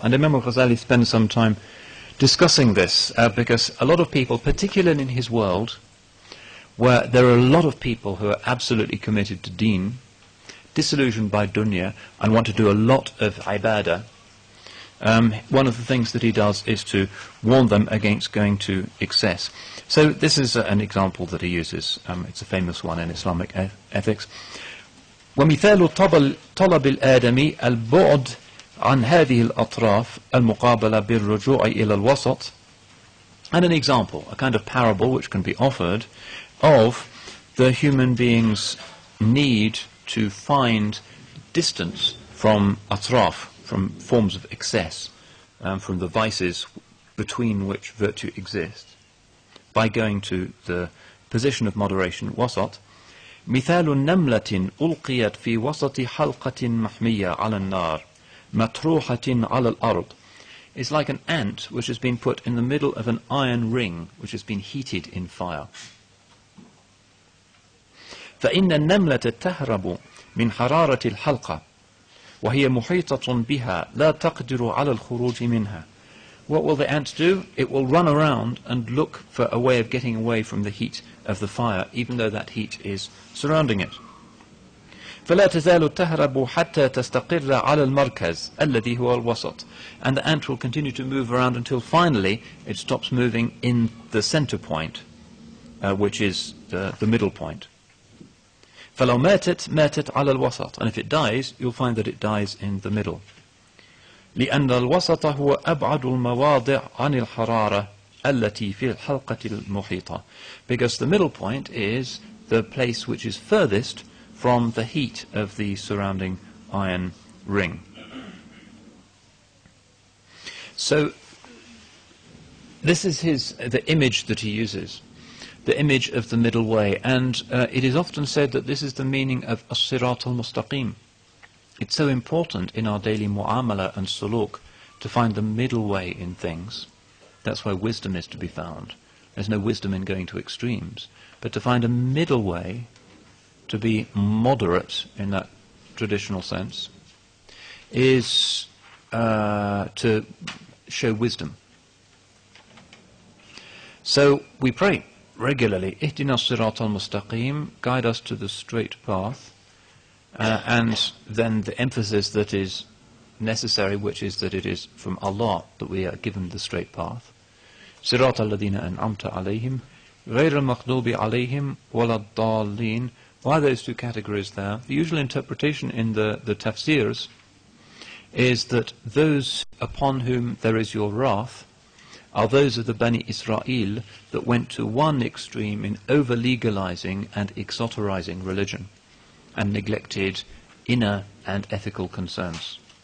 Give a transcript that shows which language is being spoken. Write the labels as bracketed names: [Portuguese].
[English] And Imam Ghazali spends some time discussing this, because a lot of people, particularly in his world, where there are a lot of people who are absolutely committed to deen, disillusioned by dunya, and want to do a lot of ibadah, one of the things that he does is to warn them against going to excess. So this is an example that he uses. It's a famous one in Islamic ethics. [Arabic] ومثال طلب الآدمي البعد عن هذه الأطراف المقابلة بالرجوع إلى الوسط. [English] And an example, a kind of parable which can be offered of the human being's need to find distance from atraf, from forms of excess, from the vices between which virtue exists, by going to the position of moderation, wasat. [Arabic] مثال نملة ألقيت في وسط حلقة محمية على النار مطروحة على الأرض. [English] It's like an ant which has been put in the middle of an iron ring which has been heated in fire. [Arabic] فإن النملة تهرب من حرارة الحلقة وهي محيطة بها لا تقدر على الخروج منها. [English] What will the ant do? It will run around and look for a way of getting away from the heat of the fire, even though that heat is surrounding it. [Arabic] فلا تزال تهرب حتى تستقر على المركز الذي هو الوسط. [English] And the ant will continue to move around until finally it stops moving in the center point, which is the middle point. [Arabic] فلو ماتت ماتت على الوسط. [English] And if it dies, you'll find that it dies in the middle. [Arabic] لأن الوسط هو أبعد المواضع عن الحرارة التي في الحلقة المحيطة. [English] Because the middle point is the place which is furthest from the heat of the surrounding iron ring. So this is the image that he uses, the image of the middle way. And it is often said that this is the meaning of as-sirat al-mustaqim. It's so important in our daily mu'amala and suluk to find the middle way in things. That's where wisdom is to be found. There's no wisdom in going to extremes. But to find a middle way, to be moderate in that traditional sense, is to show wisdom. So we pray regularly, [Arabic] اهْدِنَا الصِّرَاطَ الْمُسْتَقِيمِ, [English] guide us to the straight path. And then the emphasis that is necessary, which is that it is from Allah that we are given the straight path. [Arabic] صراط الذين أنعمت عليهم غير المغضوب عليهم ولا الضالين. [English] Why those two categories there? The usual interpretation in the tafsirs is that those upon whom there is your wrath are those of the Bani Israel that went to one extreme in over-legalizing and exoterizing religion and neglected inner and ethical concerns.